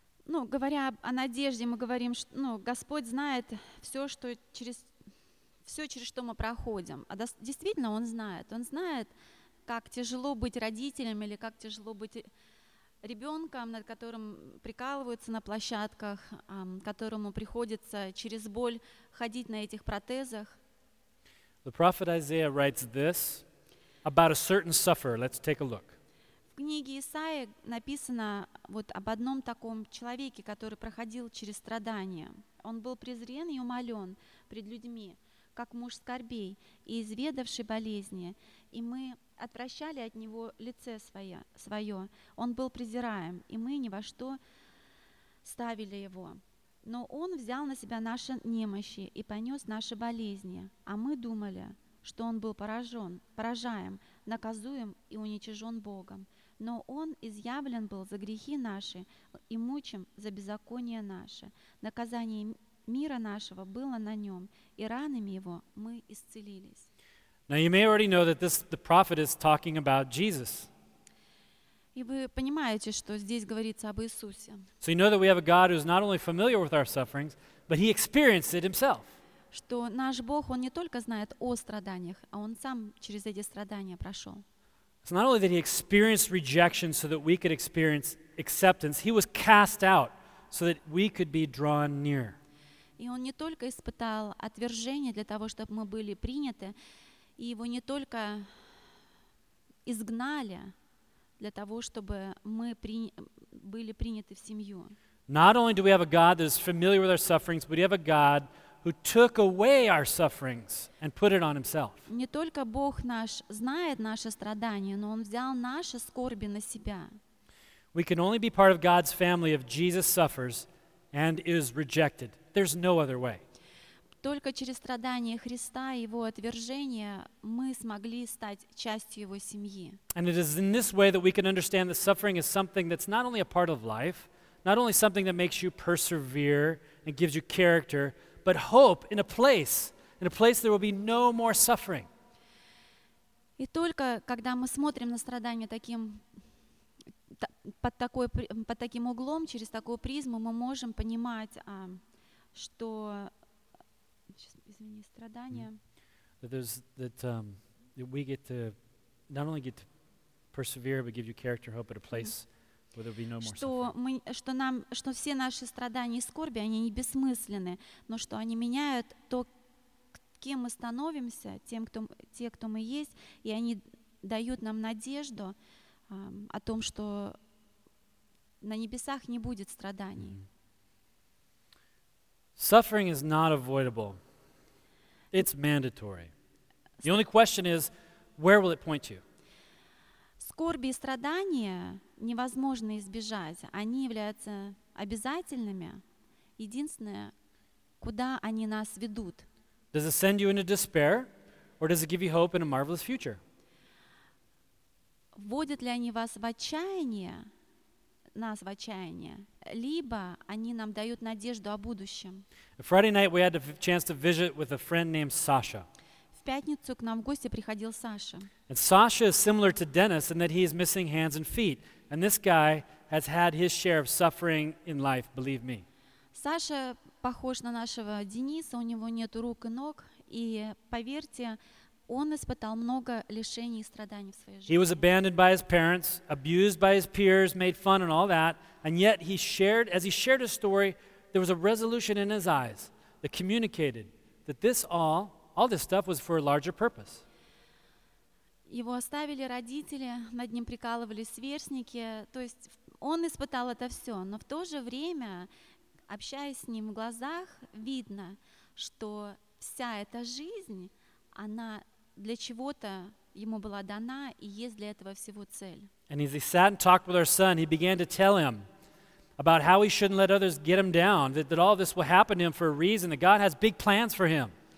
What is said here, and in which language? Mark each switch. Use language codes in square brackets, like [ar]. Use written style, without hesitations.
[ru] Ну, говоря о надежде, мы говорим, что, ну, Господь знает все, что через... Все, через что мы проходим. А действительно, Он знает. Он знает, как тяжело быть родителем или как тяжело быть ребенком, над которым прикалываются на площадках, которому приходится через боль ходить на этих протезах. [en] The prophet Isaiah writes this about a certain sufferer. Let's take a look. [ru] В книге Исаии написано вот об одном таком человеке, который проходил через страдания. Он был презрен и умолен пред людьми, как муж скорбей и изведавший болезни, и мы отвращали от него лице свое. Он был презираем, и мы ни во что ставили его. Но он взял на себя наши немощи и понес наши болезни, а мы думали, что он был поражаем, наказуем и уничижен Богом. Но он изъявлен был за грехи наши и мучим за беззаконие наше. Наказание мира нашего было на нем, и ранами его мы исцелились. [en] Now you may already know that the prophet is talking about Jesus. [ru] И вы понимаете, что здесь говорится об Иисусе. [en] So you know that we have a God who is not only familiar with our sufferings, but He experienced it Himself. [ru] Что наш Бог, Он не только знает о страданиях, а Он сам через эти страдания прошел. [en] It's not only that He experienced rejection so that we could experience acceptance, He was cast out so that we could be drawn near. [ru] И Он не только испытал отвержение для того, чтобы мы были приняты, и Его не только изгнали для того, чтобы мы были приняты в семью. [en] Not only do we have a God that is familiar with our sufferings, but we have a God who took away our sufferings and put it on Himself. [ru] Не только Бог наш знает наши страдания, но Он взял наши скорби на Себя. [en] We can only be part of God's family if Jesus suffers and is rejected. There's no other way. [ru] Только через страдания Христа и Его отвержение мы смогли стать частью Его семьи. [en] And it is in this way that we can understand that suffering is something that's not only a part of life, not only something that makes you persevere and gives you character, but hope in a place there will be no more suffering. [ru] И только когда мы смотрим на страдания под таким углом, через такую призму, мы можем понимать, что извини, страдания. [en] That we get to not only get to persevere, but give you character, hope at a place where there'll be no more suffering. [ru] Что все наши страдания и скорби, они не бессмысленны, но что они меняют то, кем мы становимся, те, кто мы есть, и они дают нам надежду о том, что на небесах не будет страданий. [en] Suffering is not avoidable. It's mandatory. The only question is, where will it point you? [ru] Скорби и страдания невозможно избежать. Они являются обязательными. Единственное, куда они нас ведут. [en] Does it send you into despair, or does it give you hope in a marvelous future? [ru] Вводят ли они вас в отчаяние, нас в отчаяние, либо они нам дают надежду о будущем. [en] Friday night we had the chance to visit with a friend named Sasha. [ru] В пятницу к нам в гости приходил Саша. [en] And Sasha is similar to Dennis in that he is missing hands and feet, and this guy has had his share of suffering in life, believe me. [ru] Саша похож на нашего Дениса, у него нет рук и ног, и поверьте, он испытал много лишений и страданий в своей жизни. [en] He was abandoned by his parents, abused by his peers, made fun and all that, and yet he shared, as he shared his story, there was a resolution in his eyes that communicated that this all this stuff was for a larger purpose. [ru] Его оставили родители, над ним прикалывались сверстники, то есть он испытал это все, но в то же время, общаясь с ним в глазах, видно, что вся эта жизнь, она для чего-то ему была дана, и есть для этого всего цель. [en] And as he sat and talked with our son, he began to tell him about how he shouldn't let others get him down, that all this will happen to him for a reason, that God has big plans for him.